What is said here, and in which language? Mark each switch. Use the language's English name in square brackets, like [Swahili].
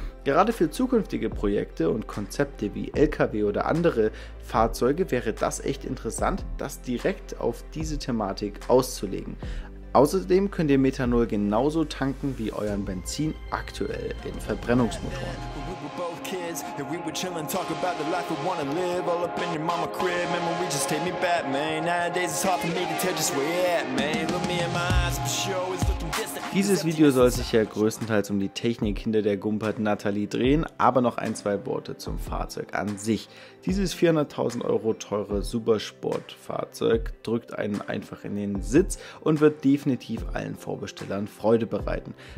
[German] Gerade für zukünftige Projekte und Konzepte wie LKW oder andere Fahrzeuge wäre das echt interessant, das direkt auf diese Thematik auszulegen. Außerdem könnt ihr Methanol genauso tanken wie euren Benzin aktuell in Verbrennungsmotoren. [English] Kids, if we were chillin', talk about the life we wanna live, all up in your mama crib, man, we just take me back, man, nowadays it's hard for me to tell just where you're at, man, look me in my eyes, but sure it's looking distant. [German] Dieses Video soll sich ja größtenteils um die Technik hinter der Gumpert Nathalie drehen, aber noch ein, zwei Worte zum Fahrzeug an sich. Dieses 400.000 Euro teure Supersportfahrzeug drückt einen einfach in den Sitz und wird definitiv allen Vorbestellern Freude bereiten.